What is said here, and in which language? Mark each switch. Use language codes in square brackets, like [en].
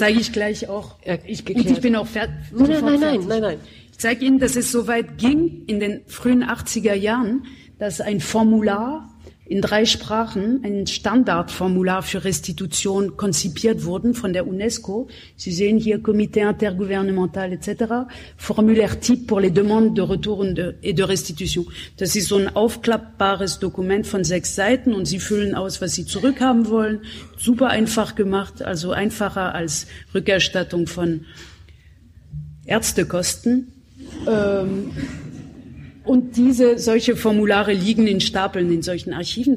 [de] zeige ich gleich auch. Und ich bin auch fertig. Nein. Ich zeige Ihnen, dass es so weit ging in den frühen 80er Jahren, dass ein Formular in 3 Sprachen ein Standardformular für Restitution konzipiert wurden von der UNESCO. Sie sehen hier Comité intergouvernemental etc. [fr] Formulaire type pour les demandes de retour et de restitution. [de] Das ist so ein aufklappbares Dokument von 6 Seiten und Sie füllen aus, was Sie zurückhaben wollen. Super einfach gemacht, also einfacher als Rückerstattung von Ärztekosten. Und solche Formulare liegen in Stapeln in solchen Archiven.